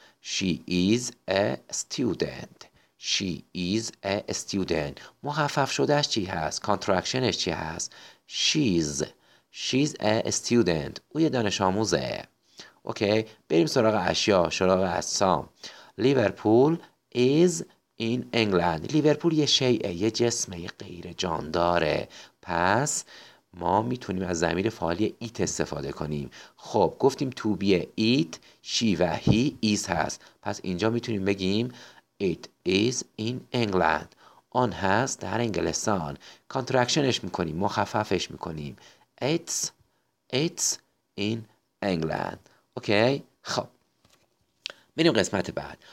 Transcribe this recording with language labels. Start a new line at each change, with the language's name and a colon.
English: She is a student. She is a student.
Persian: مخفف شدهش چی هست؟ contractionش چی هست؟ she's.
English: She's a student.
Persian: او یه دانش آموزه. اوکی. بریم سراغ اشیا، سراغ اجسام.
English: Liverpool is in England.
Persian: لیورپول یه شیئه، یه جسمه، یه غیر جانداره. پس ما میتونیم از ضمیر فاعلی it استفاده کنیم. خب گفتیم to be it، she و he is هست. پس اینجا میتونیم بگیم
English: it is in England.
Persian: آن هست در انگلستان. contractionش میکنیم، مخففش میکنیم.
English: It's in England. Okay.
Persian: خب میریم قسمت بعد.